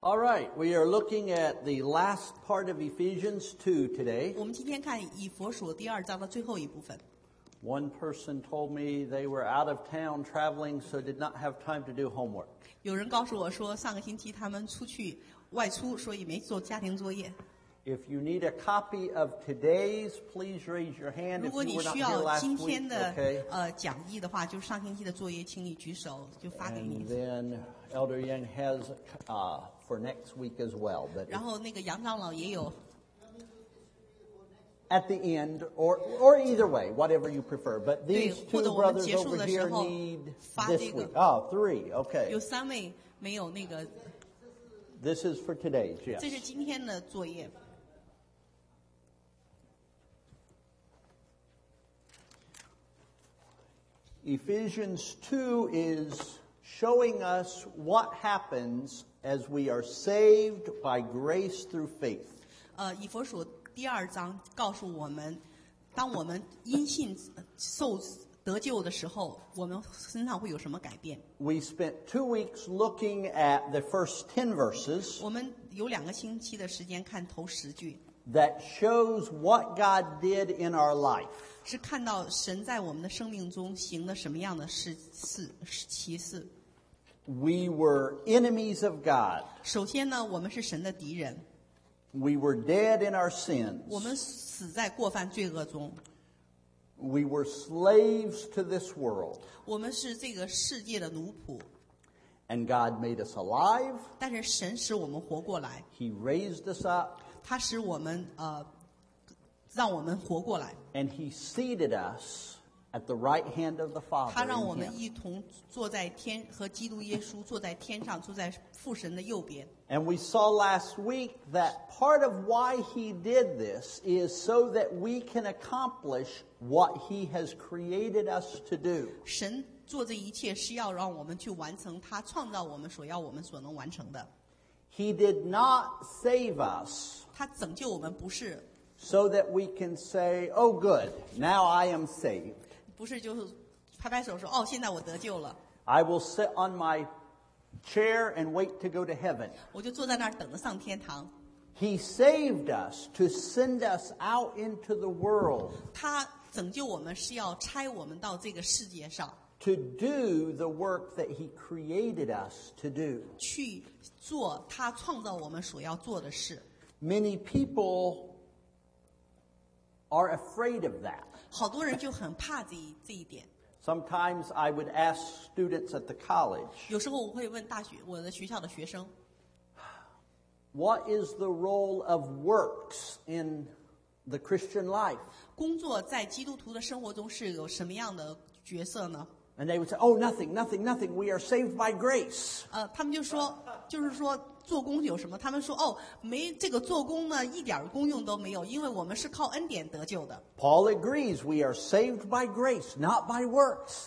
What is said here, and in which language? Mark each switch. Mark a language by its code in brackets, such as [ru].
[en] All right, we are looking at the last part of Ephesians 2 today. [zh] 我们今天看以弗所第二章的最后一部分。 [en] One person told me they were out of town traveling, so did not have time to do homework. [zh] 有人告诉我说上个星期他们出去外出，所以没做家庭作业。 [en] If you need a copy of today's, please raise your hand. [zh] 如果你需要今天的 [en] week,、okay? [zh] 讲义的话，就是上星期的作业，请你举手，就发给你。 [en] And then Elder Yang has for next week as well. But [zh] 然后那个杨长老也有。 [en] At the end, or either way, whatever you prefer. But these two brothers over here need this week. Oh, three. Okay. [zh] 有三位没有那个。 [en] This is for today, yes. [zh] 这是今天的作业。 [en] Ephesians 2 is showing us what happens as we are saved by grace through faith. [zh] 以弗所第二章告诉我们，当我们因信受得救的时候，我们身上会有什么改变？ [en] We spent 2 weeks looking at the first 10 verses. [zh] 我们有两个星期的时间看头十句。 [en] That shows what God did in our life. [zh] 是看到神在我们的生命中行了什么样的奇事。 [en] We were enemies of God. [zh] 首先呢，我们是神的敌人。 [en] We were dead in our sins. [zh] 我们死在过犯罪恶中。 [en] We were slaves to this world. [zh] 我们是这个世界的奴仆。 [en] And God made us alive. [zh] 但是神使我们活过来。 [en] He raised us up. [zh] 他使我们让我们活过来。 [en] And he seated us at the right hand of the Father. [zh] 他让我们一同坐在天和基督耶稣坐在天上，坐在父神的右边。 [en] And we saw last week that part of why he did this is so that we can accomplish what he has created us to do. [zh] 神做这一切是要让我们去完成他创造我们所要我们所能完成的。 [en] He did not save us. [zh] 他拯救我们不是。 [en] So that we can say, "Oh, good, now I am saved." [zh] 不是，就是拍拍手说，哦，现在我得救了。 [en] I will sit on my chair and wait to go to heaven. [zh] 我就坐在那儿等着上天堂。 [en] He saved us to send us out into the world. [zh] 他拯救我们是要差我们到这个世界上。 [en] To do the work that He created us to do. [zh] 去做他创造我们所要做的事。 [en] Many people are afraid of that. [zh] 好多人就很怕这一点。 [en] Sometimes I would ask students at the college. [zh] 有时候我会问大学，我的学校的学生。 [en] What is the role of works in the Christian life? [zh] 工作在基督徒的生活中是有什么样的角色呢？ [en] And they would say, "Oh, nothing, nothing, nothing. We are saved by grace." [zh] 他们就说，就是说做工有什么？他们说，哦，没这个做工呢，一点功用都没有，因为我们是靠恩典得救的。 [en] Paul agrees, we are saved by grace, not by works.